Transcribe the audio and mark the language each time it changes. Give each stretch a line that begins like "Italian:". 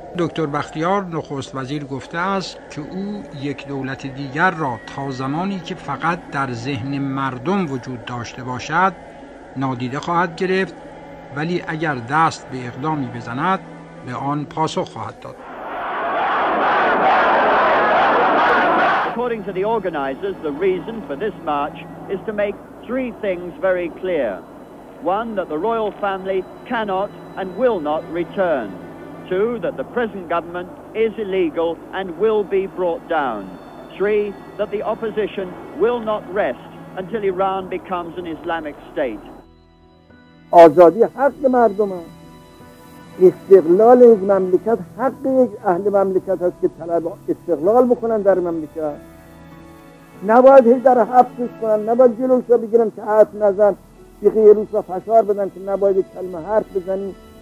Persian: دکتر بختیار نخست وزیر گفته است که او یک دولت دیگر را تا زمانی که فقط در ذهن مردم وجود داشته باشد نادیده خواهد گرفت، ولی اگر دست به اقدامی بزند به آن پاسخ خواهد داد.
English: According to the organizers, the reason for this march is to make three things very clear. One, that the royal family cannot and will not return. Two, that the present government is illegal and will be brought down. Three, that the opposition will not rest until Iran becomes an Islamic state.
Persian: آزادی حق مردم است. استقلال یک مملکت حق یک اهل مملکت است که طلب استقلال بکنند در مملکت. نباید هیچ در حبسش کنند، نباید جلوش را بگیرند که حرف نزند، بیخی یه روز را فشار بدن که نباید کلمه حرف بزنی.